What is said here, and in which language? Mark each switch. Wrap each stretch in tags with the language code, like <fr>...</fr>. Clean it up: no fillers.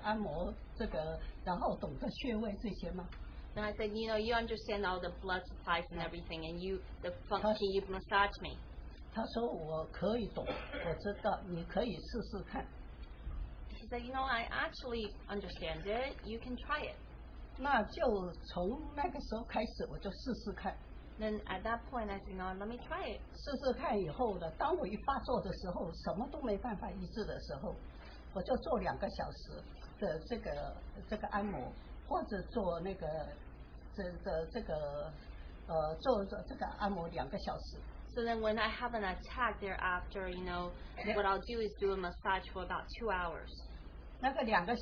<zh>跑出来以后，他说，我就问他说，你可以按摩这个，然后懂得穴位这些吗？</zh> <en>And I said, you know, you understand all the blood supplies and everything, and you, the function, you massage me.</en> <zh>他说，我可以懂，我知道，你可以试试看。</zh> <en>He said, you know, I actually understand it, you can try it.</en> <zh>那就从那个时候开始，我就试试看。</zh> <en>Then at that point, I said, no, let me try it.</en> <zh>试试看以后呢，当我一发作的时候，什么都没办法医治的时候，我就做两个小时的这个按摩，或者做这个按摩两个小时。</zh> <en>So then when I have an attack thereafter, you know, what I'll do is do a massage for about 2 hours.</en>